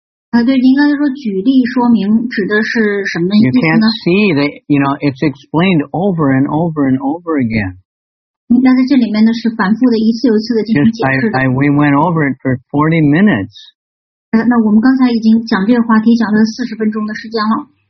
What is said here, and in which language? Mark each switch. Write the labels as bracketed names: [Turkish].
[Chinese] 对，应该说举例说明指的是什么意思呢 [English] ？You can't see that. You know, it's explained over and over and over again. [Chinese] 那在这里面呢是反复的一次又一次的进行解释的。 [English] Just we went over it for 40 minutes. [Chinese] 那我们刚才已经讲这个话题讲了40分钟的时间了。